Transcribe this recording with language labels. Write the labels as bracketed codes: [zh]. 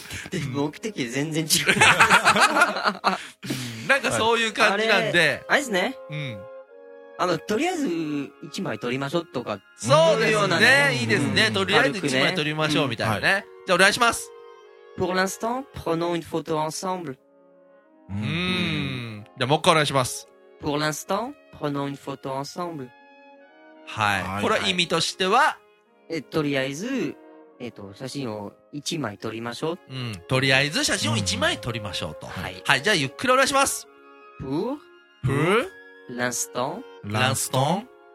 [ja] で、目的全然違う、なんかそういう感じなんで、はい、あれですね、うん、あのとりあえず1枚撮りましょうとか、そうですね、ね、いいですね、うん、とりあえず1枚撮りましょうみたいな ね、うん、じゃあお願いします。 [fr] Pour l'instant, prenons une photo ensemble. [ja] じゃあもう一回お願いします。 [fr] Pour l'instant, prenons une photo ensemble. [ja] はい、これは意味としては、はい、とりあえず、写真を1枚撮りましょう、うん、とりあえず写真を1枚撮りましょうと、うん、はい、はい、じゃあゆっくりお願いします。 [fr] Pour l'instant Linstant,